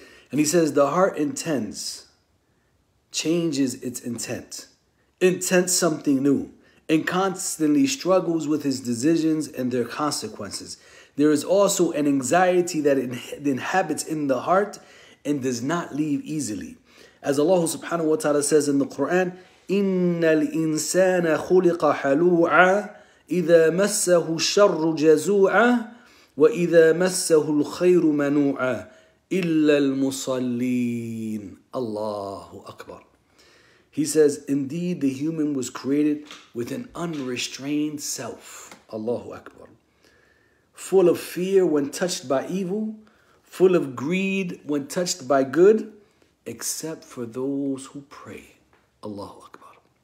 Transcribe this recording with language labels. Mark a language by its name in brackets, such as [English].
[English] And he says, the heart intends, changes its intent, intends something new, and constantly struggles with his decisions and their consequences. There is also an anxiety that inhabits in the heart and does not leave easily. As Allah subhanahu wa ta'ala says in the Quran, [Arabic] إِنَّ الْإِنسَانَ خُلِقَ حَلُوعًا إِذَا مَسَّهُ الشَّرُّ جَزُوعًا وَإِذَا مَسَّهُ الْخَيْرُ مَنُوعًا إِلَّا الْمُصَلِّينَ. Allahu Akbar. [English] He says, indeed, the human was created with an unrestrained self, Allahu Akbar, full of fear when touched by evil, full of greed when touched by good, except for those who pray, Allahu Akbar.